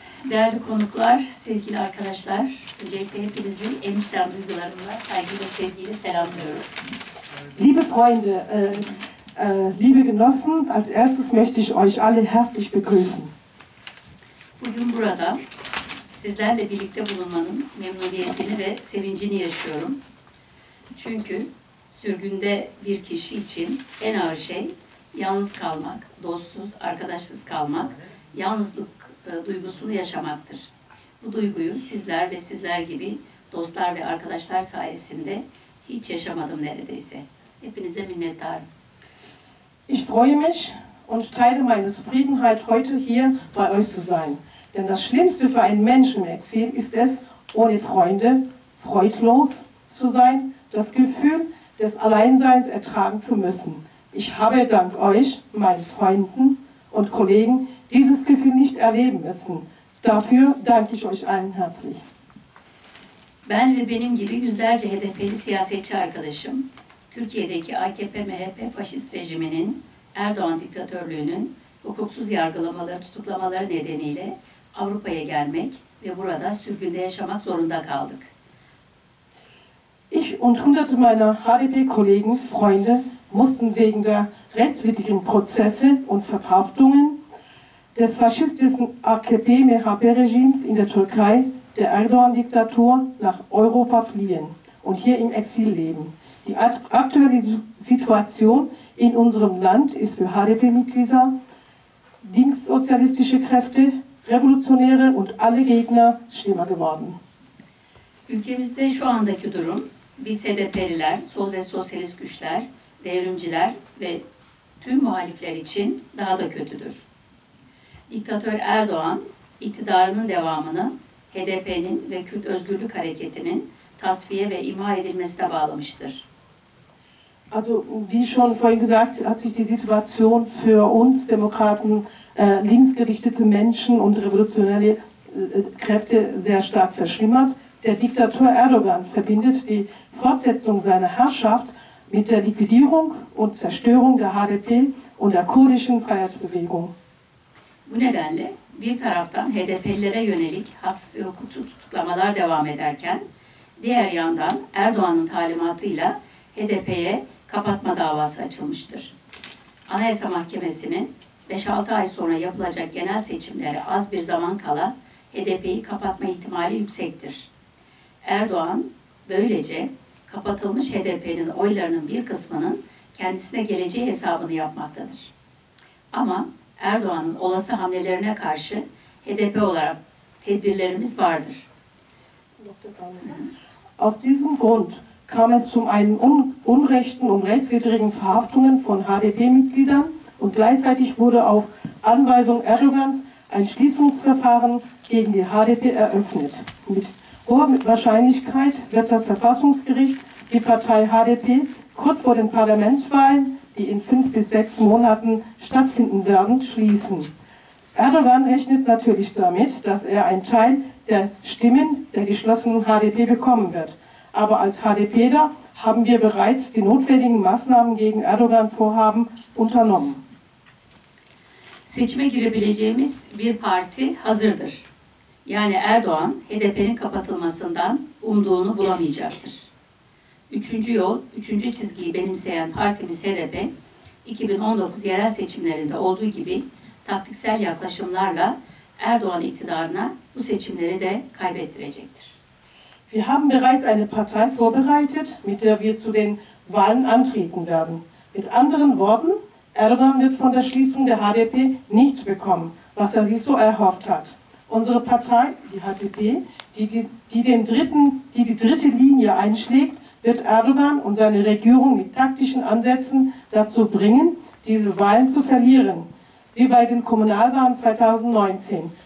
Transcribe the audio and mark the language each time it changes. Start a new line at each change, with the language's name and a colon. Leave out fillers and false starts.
Turkish: Değerli konuklar, sevgili arkadaşlar, öncelikle hepinizi en içten duygularımla saygıyla, sevgiyle selamlıyorum.
German: Liebe Freunde, liebe Genossen, als erstes möchte ich euch alle herzlich begrüßen.
Turkish: Bugün burada sizlerle birlikte bulunmanın memnuniyetini ve sevincini yaşıyorum. Çünkü sürgünde bir kişi için en ağır şey yalnız kalmak, dostsuz, arkadaşsız kalmak, yalnızlık duygusunu yaşamaktır. Bu duyguyu sizler ve sizler gibi dostlar ve arkadaşlar sayesinde hiç yaşamadım neredeyse. Hepinize minnettarım.
German: Ich freue mich und teile meine Zufriedenheit heute hier bei euch zu sein. Denn das Schlimmste für einen Menschen im Exil ist es, ohne Freunde freudlos zu sein, das Gefühl des Alleinseins ertragen zu müssen. Ich habe dank euch, meinen Freunden und Kollegen, dieses Gefühl nicht erleben müssen. Dafür danke ich euch allen herzlich.
Turkish: Ben ve benim gibi yüzlerce HDP'li siyasetçi arkadaşım, Türkiye'deki AKP-MHP faşist rejiminin, Erdoğan diktatörlüğünün hukuksuz yargılamaları, tutuklamaları nedeniyle Avrupa'ya gelmek ve burada sürgünde yaşamak zorunda kaldık.
German: Ich und hunderte meiner HDP-Kollegen, Freunde, mussten wegen der rechtswidrigen Prozesse und Verhaftungen des faschistischen AKP-MHP-Regimes in der Türkei, der Erdogan-Diktatur, nach Europa fliehen und hier im Exil leben. Die aktuelle Situation in unserem Land ist für HDP-Mitglieder, linkssozialistische Kräfte, Revolutionäre und alle Gegner schlimmer geworden.
Turkish: Ülkemizde şu andaki durum, biz HDP'liler, sol ve sosyalist güçler, devrimciler ve tüm muhalifler için daha da kötüdür. Diktatör Erdoğan, iktidarının devamını HDP'nin ve Kürt Özgürlük Hareketi'nin tasfiye ve imha edilmesine bağlamıştır.
German: Also wie schon vorhin gesagt, hat sich die Situation für uns Demokraten, linksgerichtete Menschen und revolutionäre Kräfte sehr stark verschlimmert. Der Diktator Erdogan verbindet die Fortsetzung seiner Herrschaft mit der Liquidierung und Zerstörung der HDP und der kurdischen Freiheitsbewegung.
Turkish: Bu nedenle bir taraftan HDP'lilere yönelik haksız ve hukuksuz tutuklamalar devam ederken, diğer yandan Erdoğan'ın talimatıyla HDP'ye kapatma davası açılmıştır. Anayasa Mahkemesi'nin 5-6 ay sonra yapılacak genel seçimlere az bir zaman kala HDP'yi kapatma ihtimali yüksektir. Erdoğan böylece kapatılmış HDP'nin oylarının bir kısmının kendisine geleceği hesabını yapmaktadır. Ama Erdoğan'ın olası hamlelerine karşı HDP olarak tedbirlerimiz vardır.
German: Aus diesem Grund kam es zu einem unrechten und rechtswidrigen Verhaftungen von HDP-Mitgliedern und gleichzeitig wurde auf Anweisung Erdogans ein Schließungsverfahren gegen die HDP eröffnet. Mit hoher Wahrscheinlichkeit wird das Verfassungsgericht die Partei HDP kurz vor den Parlamentswahlen, die in 5 bis 6 Monaten stattfinden werden, schließen. Erdogan rechnet natürlich damit, dass er einen Teil der Stimmen der geschlossenen HDP bekommen wird. Aber als HDPler haben wir bereits die notwendigen Maßnahmen gegen Erdogans Vorhaben unternommen.
Turkish: Seçime girebileceğimiz bir parti hazırdır. Yani Erdoğan, HDP'nin kapatılmasından umduğunu bulamayacaktır. Üçüncü yol, üçüncü çizgiyi benimseyen partimiz HDP, 2019 yerel seçimlerinde olduğu gibi taktiksel yaklaşımlarla Erdoğan iktidarına bu seçimleri de kaybettirecektir.
German: Wir haben bereits eine Partei vorbereitet, mit der wir zu den Wahlen antreten werden. Mit anderen Worten, Erdogan wird von der Schließung der HDP nichts bekommen, was er sich so erhofft hat. Unsere Partei, die HDP, die dritte Linie einschlägt, wird Erdogan und seine Regierung mit taktischen Ansätzen dazu bringen, diese Wahlen zu verlieren, wie bei den Kommunalwahlen 2019.